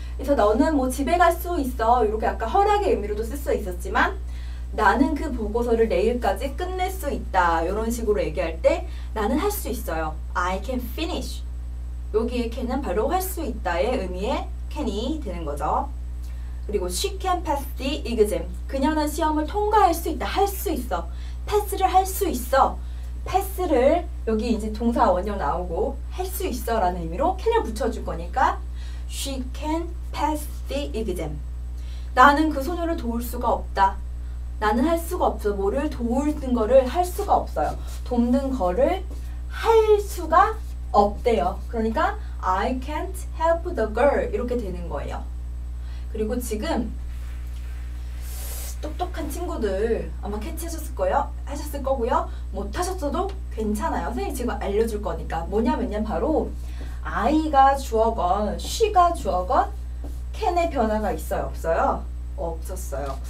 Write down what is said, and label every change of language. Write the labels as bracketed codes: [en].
[ko] 그래서 너는 뭐 집에 갈 수 있어. 이렇게 아까 허락의 의미로도 쓸 수 있었지만 나는 그 보고서를 내일까지 끝낼 수 있다. 이런 식으로 얘기할 때 나는 할 수 있어요. [en] I can finish. [ko] 여기에 can은 바로 할 수 있다의 의미의 can이 되는 거죠. [en] 그리고 she can pass the exam. [ko] 그녀는 시험을 통과할 수 있다. 할 수 있어. 패스를 할 수 있어. 패스를 여기 이제 동사 원형 나오고 할 수 있어 라는 의미로 can을 붙여줄 거니까 [en] she can pass the exam. [ko] 나는 그 소녀를 도울 수가 없다. 나는 할 수가 없어. 뭐를 도울 거를 할 수가 없어요. 돕는 거를 할 수가 없대요. 그러니까 [en] I can't help the girl [ko] 이렇게 되는 거예요. 그리고 지금 똑똑한 친구들 아마 캐치하셨을 거예요. 하셨을 거고요. 못 하셨어도 괜찮아요. 선생님이 지금 알려줄 거니까. 뭐냐면요. 바로 I가 주어건 she가 주어건 can의 변화가 있어요? 없어요? 없었어요.